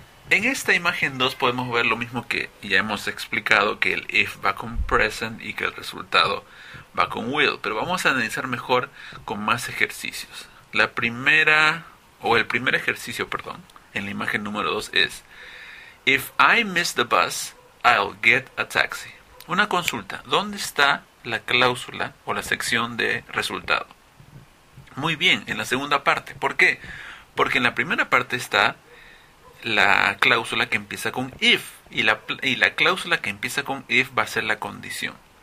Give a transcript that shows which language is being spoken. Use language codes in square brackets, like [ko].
[es] En esta imagen 2 podemos ver lo mismo que ya hemos explicado, que el if va con present y que el resultado va con will. Pero vamos a analizar mejor con más ejercicios. El primer ejercicio, en la imagen número 2 es [en] If I miss the bus, I'll get a taxi. [es] Una consulta, ¿dónde está la cláusula o la sección de resultado? Muy bien, en la segunda parte. ¿Por qué? Porque en la primera parte está la cláusula que empieza con if y la cláusula que empieza con if va a ser la condición.